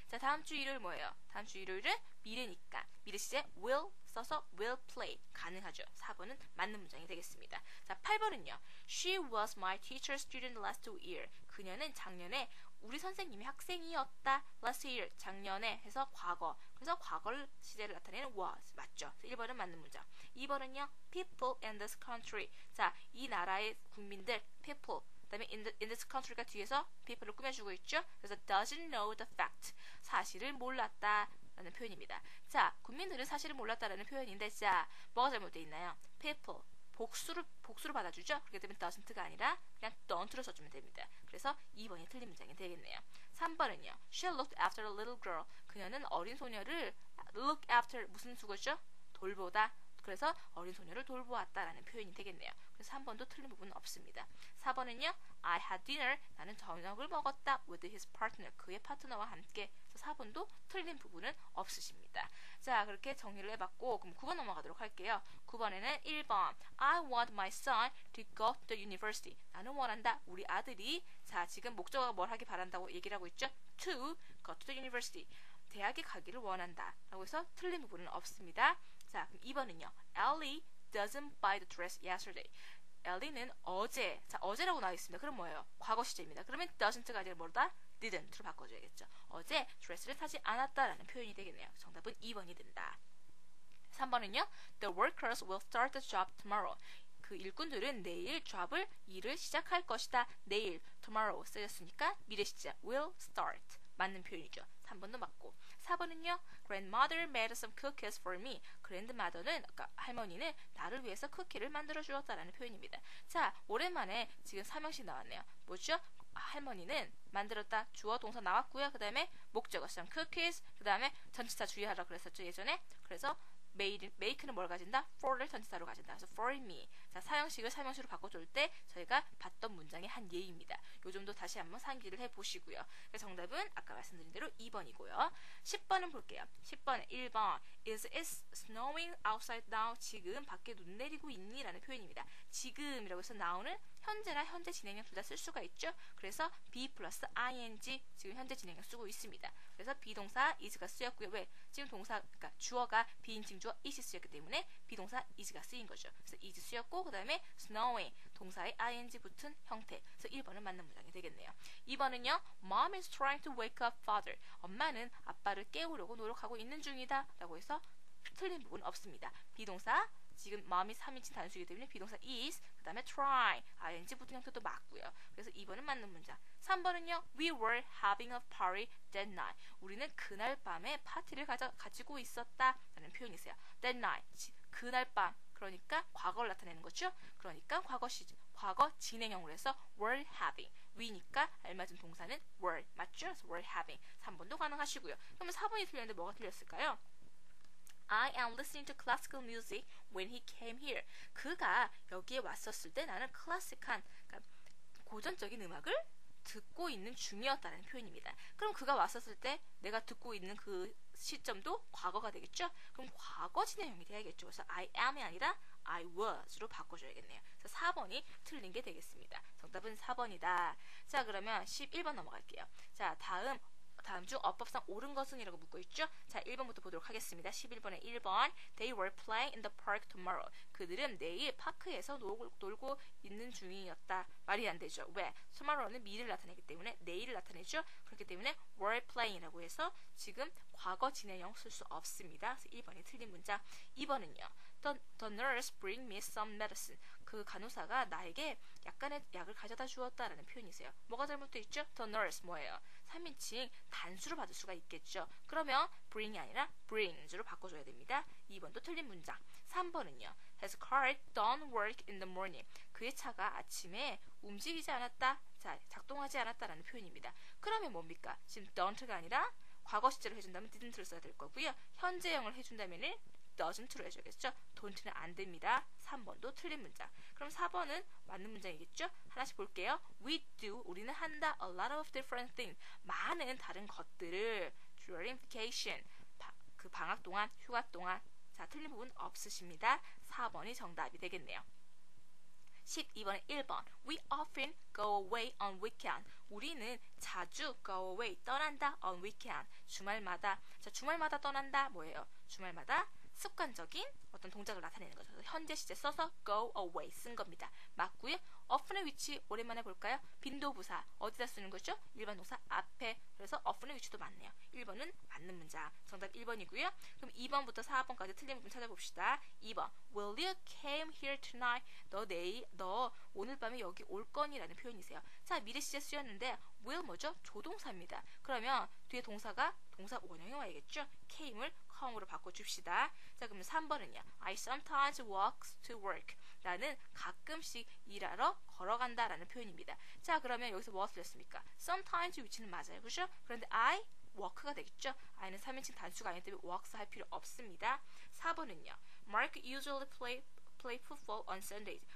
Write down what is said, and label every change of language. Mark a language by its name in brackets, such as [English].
[Korean] 자, 다음 주 일요일 뭐예요? 다음 주 일요일은 미래니까 미래 시제 will 써서 will play 가능하죠. 4번은 맞는 문장이 되겠습니다. 자, 8번은요. [English] She was my teacher student last year. [Korean] 그녀는 작년에 우리 선생님이 학생이었다. last year 작년에 해서 과거. 그래서 과거 시제를 나타내는 was 맞죠. 1번은 맞는 문장. 2번은요. [English] People in this country. [Korean] 자, 이 나라의 국민들 people 그 다음에 in this country가 뒤에서 people을 꾸며주고 있죠. 그래서 [English] doesn't know the fact. [Korean] 사실을 몰랐다 라는 표현입니다. 자, 국민들은 사실을 몰랐다 라는 표현인데 자, 뭐가 잘못되어 있나요? people 복수로 받아주죠. 그렇기 때문에 doesn't가 아니라 그냥 don't로 써주면 됩니다. 그래서 2번이 틀린 문장이 되겠네요. 3번은요. [English] She looked after a little girl. [Korean] 그녀는 어린 소녀를 [English] look after [Korean] 무슨 수거죠? 돌보다 그래서 어린 소녀를 돌보았다라는 표현이 되겠네요. 그래서 한 번도 틀린 부분은 없습니다. 4번은요. [English] I had dinner. [Korean] 나는 저녁을 먹었다. [English] With his partner. [Korean] 그의 파트너와 함께. 4번도 틀린 부분은 없으십니다. 자, 그렇게 정리를 해봤고 그럼 9번 넘어가도록 할게요. 9번에는 1번 [English] I want my son to go to the university. [Korean] 나는 원한다. 우리 아들이 자, 지금 목적어가 뭘 하기 바란다고 얘기를 하고 있죠? [English] To go to the university. [Korean] 대학에 가기를 원한다. 라고 해서 틀린 부분은 없습니다. 자, 그럼 2번은요. [English] Ellie doesn't buy the dress yesterday. [Korean] Ellie는 어제. 자, 어제라고 나와있습니다. 그럼 뭐예요? 과거 시제입니다. 그러면 doesn't가 아니라 뭐다? didn't로 바꿔줘야겠죠. 어제 드레스를 사지 않았다라는 표현이 되겠네요. 정답은 2번이 된다. 3번은요. [English] The workers will start the job tomorrow. [Korean] 그 일꾼들은 내일 job을 일을 시작할 것이다. 내일 tomorrow 쓰였으니까 미래 시제 will start. 맞는 표현이죠. 3번도 맞고. 4번은요. [English] Grandmother made some cookies for me. [Korean] 그랜드마더는, 그러니까 할머니는 나를 위해서 쿠키를 만들어주었다라는 표현입니다. 자, 오랜만에 지금 3형식 나왔네요. 뭐죠? 할머니는 만들었다. 주어 동사 나왔고요. 그 다음에 목적어 some cookies. 그 다음에 전치사 주의하라 그랬었죠. 예전에. 그래서 make는 뭘 가진다? for를 전치사로 가진다. 그래서 for me. 자, 4형식을 3형식으로 바꿔줄 때 저희가 봤던 문장의 한 예입니다. 요 점도 다시 한번 상기를 해보시고요. 정답은 아까 말씀드린 대로 2번이고요. 10번은 볼게요. 10번에 1번 [English] Is it snowing outside now? [Korean] 지금 밖에 눈 내리고 있니? 라는 표현입니다. 지금이라고 해서 now는 현재나 현재 진행형 둘 다 쓸 수가 있죠. 그래서 be plus ing 지금 현재 진행형 쓰고 있습니다. 그래서 비동사 is가 쓰였고요. 왜? 지금 동사 그러니까 주어가 비인칭 주어 is 쓰였기 때문에 비동사 is가 쓰인 거죠. 그래서 is 쓰였고 그 다음에 snowing 동사에 ing 붙은 형태. 그래서 1번은 맞는 문장이 되겠네요. 2번은요. [English] Mom is trying to wake up father. [Korean] 엄마는 아빠를 깨우려고 노력하고 있는 중이다. 라고 해서 틀린 부분 없습니다. 비동사 지금 마음이 3인칭 단수이기 때문에 비동사 is 그 다음에 try ing 붙은 형태도 맞고요. 그래서 2번은 맞는 문장. 3번은요. [English] We were having a party that night. [Korean] 우리는 그날 밤에 파티를 가지고 있었다 라는 표현이 있어요. That night 그날 밤 그러니까 과거를 나타내는 거죠. 그러니까 과거 진행형으로 해서 were having we니까 알맞은 동사는 were 맞죠? [English] So were having [Korean] 3번도 가능하시고요. 그러면 4번이 틀렸는데 뭐가 틀렸을까요? [English] I am listening to classical music when he came here. [Korean] 그가 여기에 왔었을 때 나는 클래식한, 그러니까 고전적인 음악을 듣고 있는 중이었다는 표현입니다. 그럼 그가 왔었을 때 내가 듣고 있는 그 시점도 과거가 되겠죠? 그럼 과거 진행형이 되어야겠죠. 그래서 I am이 아니라 I was로 바꿔줘야겠네요. 그래서 4번이 틀린 게 되겠습니다. 정답은 4번이다. 자, 그러면 11번 넘어갈게요. 자, 다음 중 어법상 옳은 것은? 이라고 묻고 있죠. 자, 1번부터 보도록 하겠습니다. 11번에 1번 [English] They were playing in the park tomorrow. [Korean] 그들은 내일 파크에서 놀고 있는 중이었다. 말이 안 되죠. 왜? Tomorrow는 미래를 나타내기 때문에 내일을 나타내죠. 그렇기 때문에 were playing이라고 해서 지금 과거 진행형 쓸 수 없습니다. 1번이 틀린 문장. 2번은요. [English] The nurse bring me some medicine. [Korean] 그 간호사가 나에게 약간의 약을 가져다 주었다라는 표현이세요. 뭐가 잘못되어 있죠? The nurse 뭐예요? 3인칭 단수로 받을 수가 있겠죠. 그러면 bring이 아니라 brings로 바꿔줘야 됩니다. 2번도 틀린 문장. 3번은요. [English] His car don't work in the morning. [Korean] 그의 차가 아침에 움직이지 않았다. 자, 작동하지 않았다라는 표현입니다. 그러면 뭡니까? 지금 don't가 아니라 과거 시제로 해준다면 didn't를 써야 될 거고요. 현재형을 해준다면은 doesn't로 해줘야겠죠. don't는 안 됩니다. 3번도 틀린 문장. 그럼 4번은 맞는 문장이겠죠. 하나씩 볼게요. [English] We do. [Korean] 우리는 한다. [English] A lot of different things. [Korean] 많은 다른 것들을 [English] during vacation. [Korean] 그 방학 동안, 휴가 동안. 자, 틀린 부분 없으십니다. 4번이 정답이 되겠네요. 12번에 1번 [English] We often go away on weekend. [Korean] 우리는 자주 go away 떠난다. [English] On weekend. [Korean] 주말마다. 자, 주말마다 떠난다. 뭐예요? 주말마다 습관적인 어떤 동작을 나타내는 거죠. 현재 시제 써서 go away 쓴 겁니다. 맞고요. often의 위치 오랜만에 볼까요? 빈도부사 어디다 쓰는 거죠? 일반 동사 앞에. 그래서 often의 위치도 맞네요. 1번은 맞는 문장. 정답 1번이고요. 그럼 2번부터 4번까지 틀린 부분 찾아봅시다. 2번 [English] Will you came here tonight? [Korean] 너 오늘 밤에 여기 올 거니? 라는 표현이세요. 자, 미래 시제 쓰였는데 will 뭐죠? 조동사입니다. 그러면 뒤에 동사가 동사 원형이 와야겠죠? came을 come으로 바꿔줍시다. 자, 그럼 3번은요. [English] I sometimes walk to work. [Korean] 나는 가끔씩 일하러 걸어간다 라는 표현입니다. 자, 그러면 여기서 무엇을 했습니까? sometimes 위치는 맞아요. 그죠? 그런데 I walk가 되겠죠? I는 3인칭 단수가 아니기 때문에 walks 할 필요 없습니다. 4번은요. [English] Mark usually play football on Sundays.